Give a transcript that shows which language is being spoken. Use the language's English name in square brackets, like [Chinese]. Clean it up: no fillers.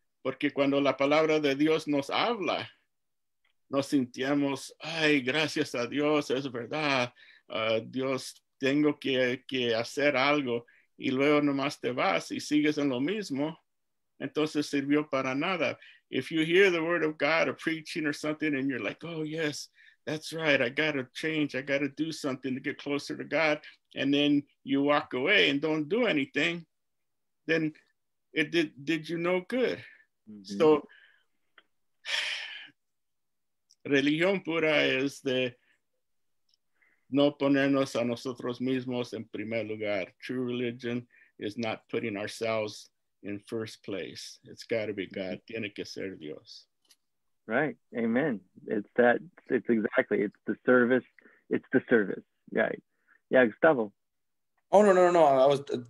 [Spanish] Porque cuando la palabra de Dios nos habla, nos sentimos, ay, gracias a Dios, es verdad, Dios, tengo que hacer algo, y luego nomás te vas y sigues en lo mismo, entonces sirvió para nada. [English] If you hear the word of God or preaching or something, and you're like, oh, yes, that's right, I got to change, I got to do something to get closer to God, and then you walk away and don't do anything, then it did you no good. Mm-hmm. [Spanish] So, religión pura es de no ponernos a nosotros mismos en primer lugar. [English] True religion is not putting ourselves in first place. It's got to be God. [Spanish] Tiene que ser Dios. [English] Right. Amen. It's that. It's exactly. It's the service. It's the service. Right. Yeah. Yeah, Gustavo. Oh, no. I was